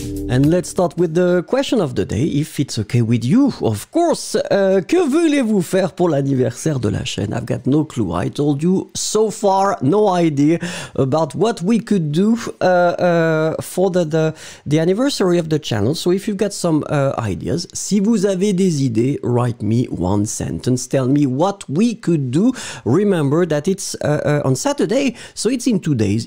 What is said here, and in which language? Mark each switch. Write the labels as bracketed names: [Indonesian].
[English] And let's start with the question of the day, if it's okay with you, of course. [French] Que voulez-vous faire pour l'anniversaire de la chaîne? [English] I've got no clue. I told you so far, no idea about what we could do for the anniversary of the channel. So if you've got some ideas, [French] si vous avez des idées, [English] write me one sentence. Tell me what we could do. Remember that it's on Saturday, so it's in 2 days.